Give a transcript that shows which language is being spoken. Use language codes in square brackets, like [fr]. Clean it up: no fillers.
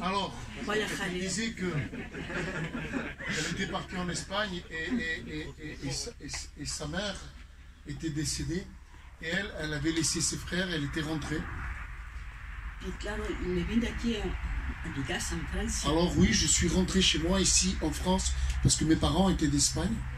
[fr] Alors, elle disait que elle était partie en Espagne et sa mère était décédée et elle avait laissé ses frères, elle était rentrée. [es] Et claro, me vine aquí a mi casa en Francia. [fr] Alors oui, je suis rentrée chez moi ici en France parce que mes parents étaient d'Espagne.